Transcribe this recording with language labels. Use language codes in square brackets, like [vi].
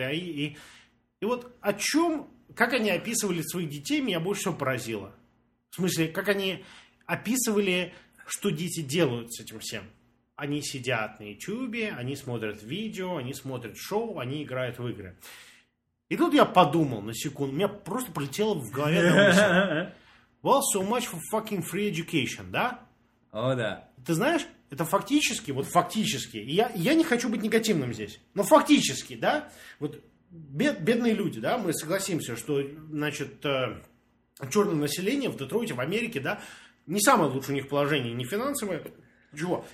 [ru] И вот о чем, как они описывали своих детей, меня больше всего поразило. В смысле, как они описывали, что дети делают с этим всем. Они сидят на YouTube, они смотрят видео, они смотрят шоу, они играют в игры. И тут я подумал на секунду, у меня просто пролетело в голове на мысль. [en] Well, so much for fucking free education, да? [ru] О, да. Ты знаешь, это фактически, вот фактически, я не хочу быть негативным здесь, но фактически, да? Вот бедные люди, да, мы согласимся, что, значит, черное население в Детройте, в Америке, да, не самое лучшее у них положение, не финансовое, ничего.